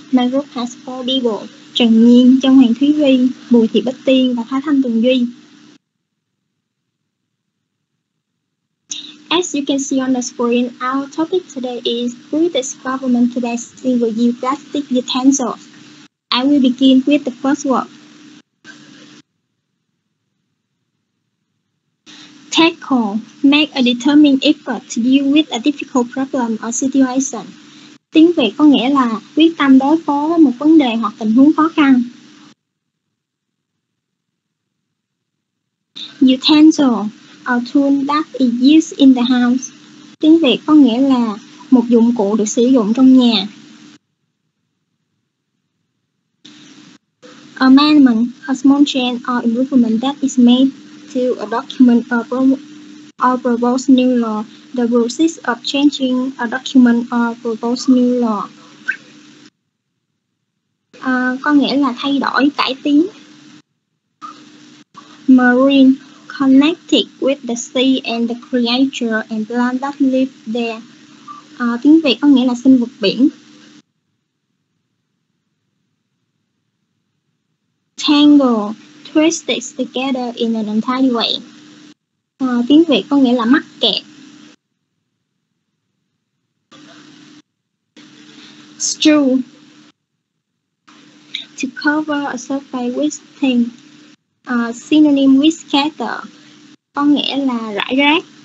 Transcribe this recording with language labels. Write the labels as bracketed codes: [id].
[en] My group has four people: Trần Nhiên, Trần Hoàng Thúy Vy, Bùi Thị Bích Tiên và Thái Thanh Tường Duy. As you can see on the screen, our topic today is British government today's single-use plastic utensils. I will begin with the first word. Tackle. Make a determined effort to deal with a difficult problem or situation. [vi] Tiếng Việt có nghĩa là quyết tâm đối phó với một vấn đề hoặc tình huống khó khăn. [en] Utensil. A tool that is used in the house. [vi] Tiếng Việt có nghĩa là một dụng cụ được sử dụng trong nhà. [en] Amendment, a small change or improvement that is made to a document or proposed new law. The process of changing a document or proposed new law. [vi] Có nghĩa là thay đổi, cải tiến. [en] Marine, connected with the sea and the creature and plant that live there. [vi] Tiếng Việt có nghĩa là sinh vật biển. [en] Tangle, twisted together in an untidy way. [vi] Tiếng Việt có nghĩa là mắc kẹt. [en] Strew, to cover a surface with thin, synonym with scatter, [vi] có nghĩa là rải rác.